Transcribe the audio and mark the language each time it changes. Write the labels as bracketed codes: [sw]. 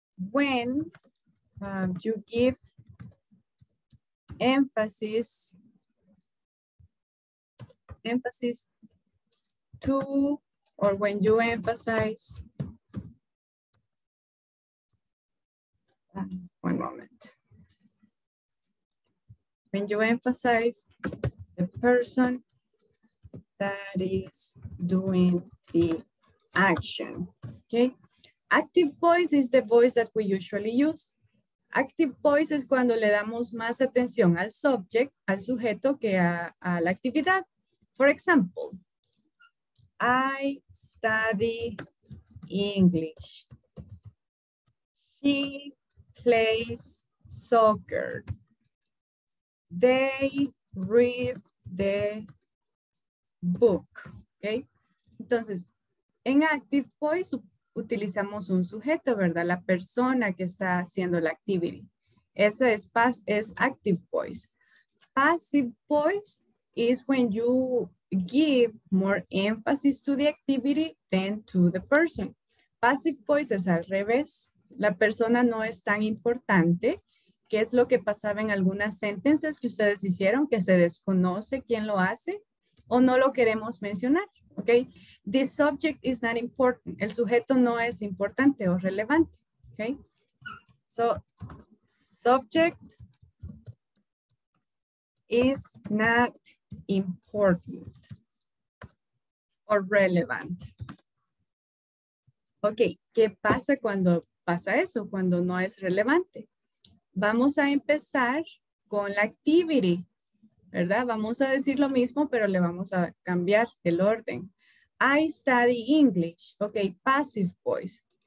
[en] When you give emphasis to, or when you emphasize, one moment, when you emphasize the person that is doing the action, okay? Active voice is the voice that we usually use. [es] Active voice es cuando le damos más atención al subject, al sujeto, que a la actividad. [en] For example, I study English. She plays soccer. They read the book. Okay? [es] Entonces, en active voice utilizamos un sujeto, ¿verdad? La persona que está haciendo la activity. Ese es active voice. [en] Passive voice is when you give more emphasis to the activity than to the person. [es] Passive voice es al revés. La persona no es tan importante, que es lo que pasaba en algunas sentences que ustedes hicieron, que se desconoce quién lo hace o no lo queremos mencionar. [en] Okay, the subject is not important. [es] El sujeto no es importante o relevante. [en] Okay, so subject is not important or relevant. [es] Okay, ¿qué pasa cuando pasa eso, cuando no es relevante? Vamos a empezar con la activity, ¿verdad? Vamos a decir lo mismo, pero le vamos a cambiar el orden. [en] I study English. Okay, passive voice.